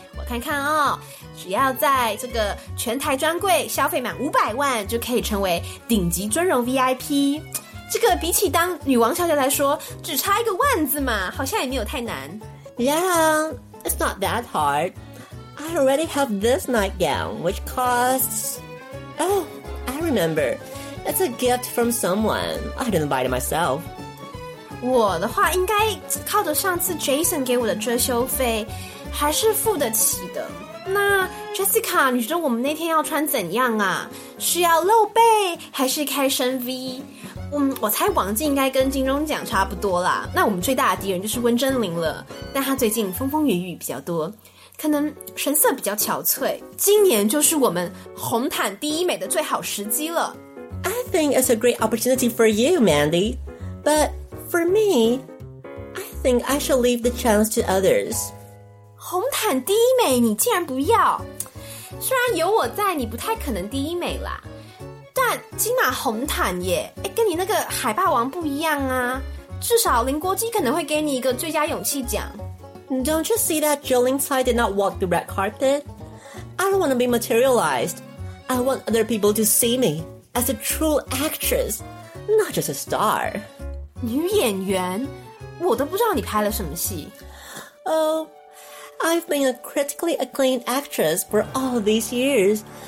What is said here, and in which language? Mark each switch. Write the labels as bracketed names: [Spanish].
[Chinese] 我看看哦，只要在这个全台专柜消费满500万就可以成为顶级尊荣 VIP， 这个比起当女王小姐来说只差一个万字嘛，好像也没有太难。 [English] Yeah, it's not that hard. I already have this nightgown which costs I remember, it's a gift from someone. I didn't buy it myself. [Chinese] 我的话应该靠着上次 Jason 给我的遮羞费，还是付得起的。那 Jessica， 你觉得我们那天要穿怎样啊？是要露背还是开深 V？ 我猜王静应该跟金钟奖差不多啦。那我们最大的敌人就是温真菱了，但她最近风风雨雨比较多。可能神色比较憔悴，今年就是我们红毯第一美的最好时机了。 [English] I think it's a great opportunity for you, Mandy. But for me, I think I shall leave the chance to others. [Chinese] 红毯第一美你竟然不要？虽然有我在你不太可能第一美啦，但金马红毯耶，跟你那个海霸王不一样啊，至少林国基可能会给你一个最佳勇气奖。 [English] Don't you see that Jolin Tsai did not walk the red carpet? I don't want to be materialized. I want other people to see me as a true actress, not just a star. [Chinese] 女演员？我都不知道你拍了什么戏。 [English] Oh, I've been a critically acclaimed actress for all these years.